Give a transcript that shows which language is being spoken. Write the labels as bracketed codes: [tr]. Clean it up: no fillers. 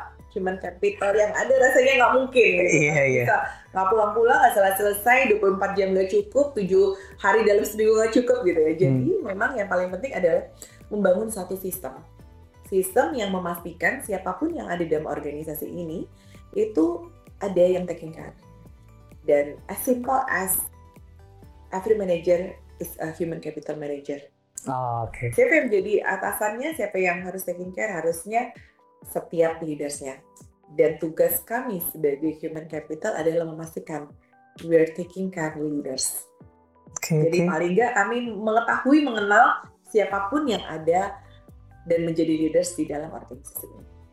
[id] Human capital yang ada rasanya nggak mungkin gitu. Nggak pulang-pulang, nggak selesai-selesai, 24 jam nggak cukup, 7 hari dalam seminggu nggak cukup gitu ya. Jadi memang yang paling penting adalah membangun satu sistem. Sistem yang memastikan siapapun yang ada dalam organisasi ini, itu ada yang [en] taking care. Dan as simple as every manager is a human capital manager. [id] Siapa yang jadi atasannya, siapa yang harus taking care, harusnya setiap leadersnya. Dan tugas kami sebagai human capital adalah memastikan [en] we are taking care of leaders. [id] Jadi paling nggak kami mengetahui, mengenal siapapun yang ada dan menjadi leaders di dalam organisasi ini.